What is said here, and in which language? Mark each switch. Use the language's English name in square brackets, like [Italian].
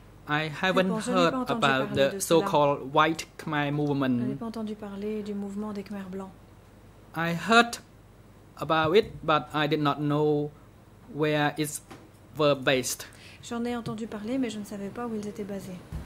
[English] I haven't heard about the so-called White Khmer movement. [French] Je n'ai pas entendu parler du mouvement des Khmer blancs. [English] I heard about it, but I did not know where it were based. [French] J'en ai entendu parler, mais je ne savais pas où ils étaient basés.